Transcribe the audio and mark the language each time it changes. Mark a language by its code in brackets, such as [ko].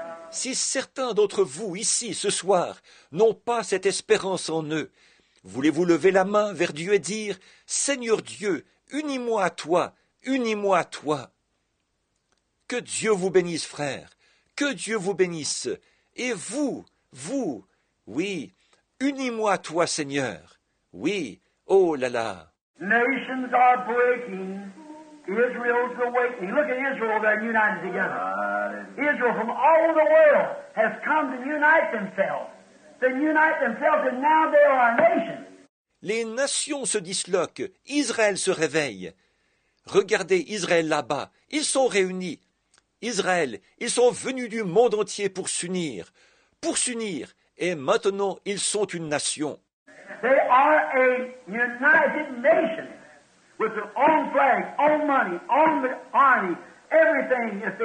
[fr] Si certains d'entre vous ici ce soir n'ont pas cette espérance en eux, voulez-vous lever la main vers Dieu et dire « Seigneur Dieu, unis-moi à toi, unis-moi à toi ». Que Dieu vous bénisse, frère, que Dieu vous bénisse, et vous, vous, oui, unis-moi à toi, Seigneur, oui, oh là là. [en] Nations are breaking. Israel's awakening. Look at Israel, they're united together. Israel from all over the world has come to unite themselves. They unite themselves and now they are a nation. [fr] Les nations se disloquent, Israël se réveille. Regardez Israël là-bas, ils sont réunis. Israël, ils sont venus du monde entier pour s'unir, et maintenant ils sont une nation. [en] They are a united nation with their own flag, own money, own army, everything.